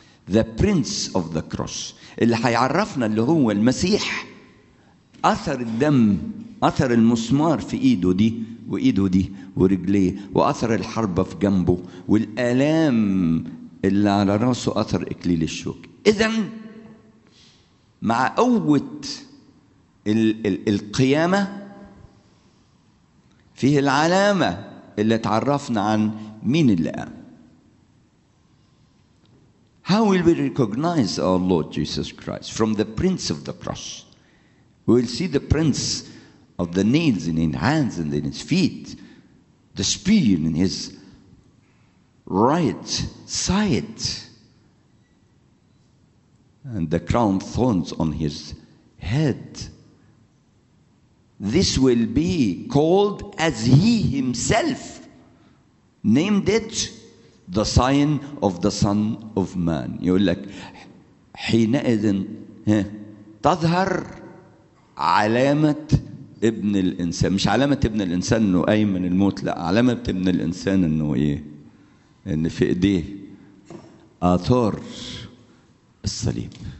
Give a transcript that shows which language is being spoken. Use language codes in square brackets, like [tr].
[en] The Prince of the Cross [ar] اللي هيعرفنا اللي هو المسيح، أثر الدم، أثر المسمار في إيده دي وإيده دي ورجليه، وأثر الحربة في جنبه، والآلام اللي على رأسه أثر إكليل الشوك. إذن مع قوة القيامة فيه العلامة اللي تعرفنا عن مين اللي قام. [en] How will we recognize our Lord Jesus Christ? From the prints of the cross. We will see the prints of the nails in his hands and in his feet, the spear in his right side, and the crown thorns on his head. This will be called, as he himself named it, the sign of the Son of Man. [ar] يقول لك حينئذ تظهر علامة ابن الإنسان. مش علامة ابن الإنسان إنه أي من الموت، لا، علامة ابن الإنسان إنه إيه، إن في إيديه آثار الصليب.